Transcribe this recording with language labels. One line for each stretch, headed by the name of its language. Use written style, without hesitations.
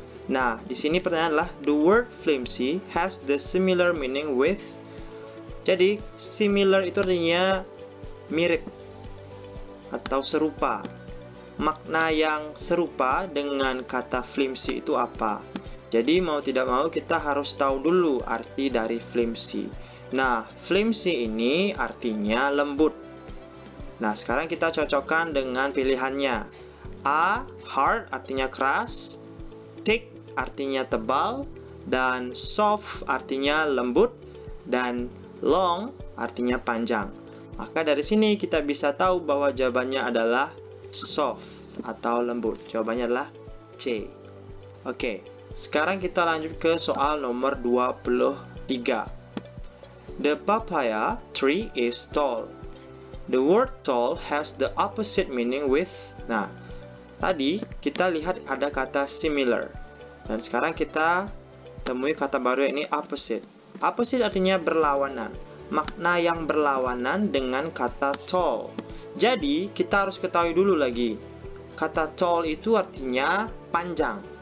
Indonesian: Nah, di sini pertanyaan adalah,
English: the word flimsy has the similar meaning with.
Indonesian: Jadi, similar itu artinya mirip atau serupa. Makna yang serupa dengan kata flimsy itu apa? Jadi mau tidak mau kita harus tahu dulu arti dari flimsy. Nah, flimsy ini artinya lembut. Nah, sekarang kita cocokkan dengan pilihannya. A, hard artinya keras, thick artinya tebal, dan soft artinya lembut, dan long artinya panjang. Maka dari sini kita bisa tahu bahwa jawabannya adalah soft atau lembut. Jawabannya adalah C. Oke. Sekarang kita lanjut ke soal nomor 23.
English: The papaya tree is tall. The word tall has the opposite meaning with.
Indonesian: Nah, tadi kita lihat ada kata similar. Dan sekarang kita temui kata baru ini opposite. Opposite artinya berlawanan. Makna yang berlawanan dengan kata tall. Jadi, kita harus ketahui dulu lagi. Kata tall itu artinya panjang.